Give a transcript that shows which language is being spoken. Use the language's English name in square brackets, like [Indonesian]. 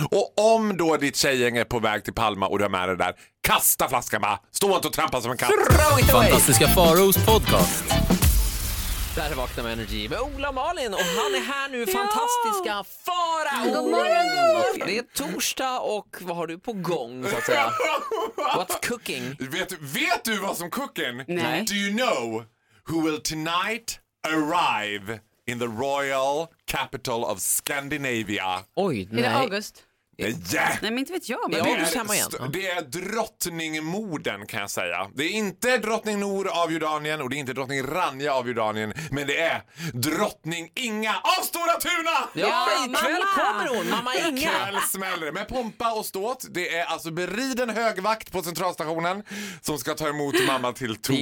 [Swedish] Och om då ditt tjejgäng är på väg till Palma och du har med dig där, kasta flaskan bara. Stå inte och trampa som en katt. Fantastiska Faros podcast. Där vaknar med Energy med Ola Malin. Och han är här nu, fantastiska Fara. Det är torsdag och vad har du på gång, så att säga? [English] What's cooking? [Swedish] Vet du vad som cooking? Nej. [English] Do you know who will tonight arrive in the royal capital of Scandinavia? [Swedish] Oj, nej. Är det August? [English] Yeah. [Swedish] Nej, men inte vet jag, men det, det är drottningmoden, kan jag säga. Det är inte drottning Nor av Jordanien och det är inte drottning Ranja av Jordanien, men det är drottning Inga av Stora Tuna. Ja, ikväll kommer hon, mamma Inga. Ikväll smäller det med pompa och ståt. Det är alltså beriden högvakt på centralstationen som ska ta emot mamma till tornen.